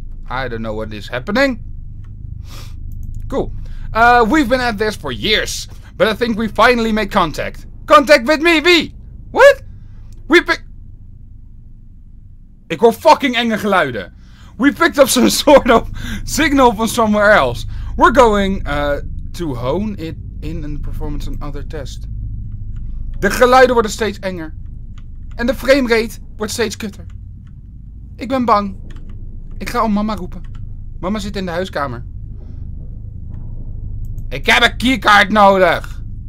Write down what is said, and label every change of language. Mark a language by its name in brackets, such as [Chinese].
[English] I don't know what is happening. Cool. We've been at this for years. But I think we finally made contact. Contact with me, wie? What? [Dutch] Ik hoor fucking enge geluiden. [English] We picked up some sort of signal from somewhere else. We're going to hone it in and performance and other test. [Dutch] De geluiden worden steeds enger. En de framerate wordt steeds kutter. Ik ben bang. Ik ga om mama roepen. Mama zit in de huiskamer. Ik heb een keycard nodig.